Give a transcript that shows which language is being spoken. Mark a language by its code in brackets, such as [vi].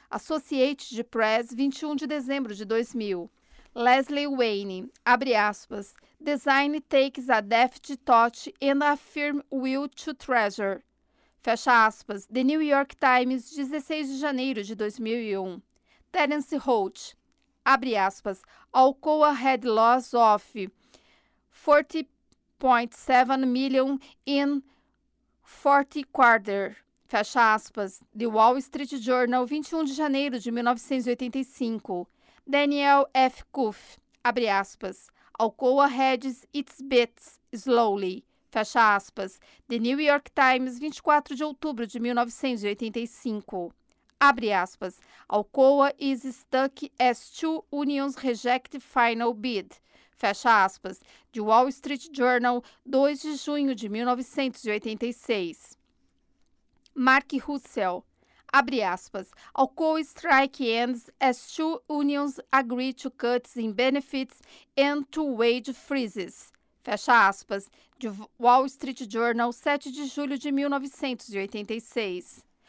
[pt] Associated Press, 21 de dezembro de 2000. Leslie Wayne. Abre aspas. [en] Design takes a deft touch and a firm will to treasure. [pt] Fecha aspas. The New York Times, 16 de janeiro de 2001. Terence Holt. Abre aspas. [en] Alcoa had loss of 40.7 million in fourth quarter. [pt] Fecha aspas. The Wall Street Journal, 21 de janeiro de 1985. Daniel F. Kuff. Abre aspas. [en] Alcoa hedges its bets slowly. [pt] Fecha aspas. The New York Times, 24 de outubro de 1985. Abre aspas. [en] Alcoa is stuck as two unions reject final bid. [pt] Fecha aspas. De Wall Street Journal, 2 de junho de 1986. Mark Russell. Abre aspas. [en] Alcoa strike ends as two unions agree to cuts in benefits and to wage freezes. [pt] Fecha aspas. De Wall Street Journal, 7 de julho de 1986.